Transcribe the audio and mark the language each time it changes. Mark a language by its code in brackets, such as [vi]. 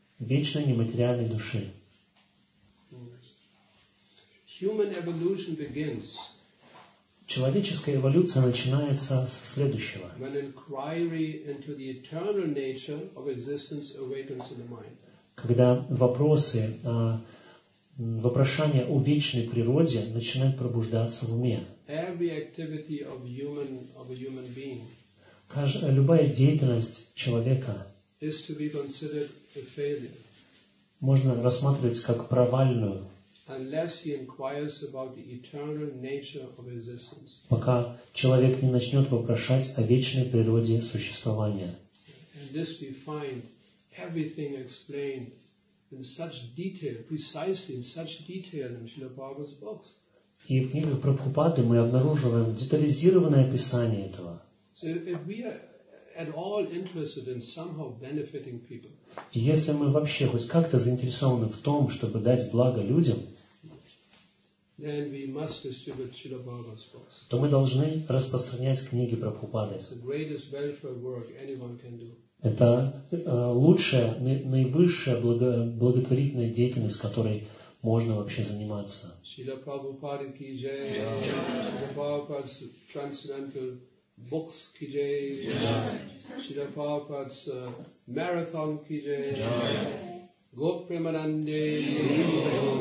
[ru] Вечной нематериальной души. [en] Human evolution begins. [ru] Человеческая эволюция начинается со следующего. [en] When inquiry into the eternal nature of existence awakens in the mind. [ru] Когда вопросы, вопрошания о вечной природе начинают пробуждаться в уме. [en] Every activity of human of a human being. [ru] Любая деятельность человека [en] is to be considered a failure. [ru] Можно рассматривать как провальную. [en] Unless he inquires about the eternal nature of existence. [ru] Пока человек не начнет вопрошать о вечной природе существования. [en] And this we find everything explained in such detail, precisely in such detail in Srila Prabhupada's books. [ru] И в книгах Прабхупады мы обнаруживаем детализированное описание этого. [en] So if we are at all interested in somehow benefiting people, [ru] если мы вообще хоть как-то заинтересованы в том, чтобы дать благо людям, [en] then we must distribute Srila Prabhupada's books. [ru] То мы должны распространять книги Прабхупады. [en] It's the greatest welfare work anyone can do. [ru] Это лучшая, наивысшая благотворительная деятельность, которой можно вообще заниматься. [hi] Шрила Прабхупада ки джей. Шрила Прабхупада's [en] transcendental books [hi] ки джей. Шрила Прабхупада's marathon ки джей. Гоп Премананде.